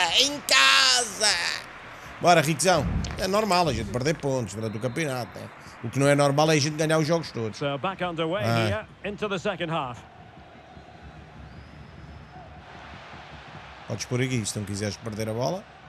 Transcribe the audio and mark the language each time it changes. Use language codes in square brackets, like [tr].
[pt] Em casa! Bora, Rixão! É normal a gente perder pontos durante o campeonato, né? O que não é normal é a gente ganhar os jogos todos. [en] So back underway here into the second half. [pt] Podes pôr aqui, se não quiseres perder a bola.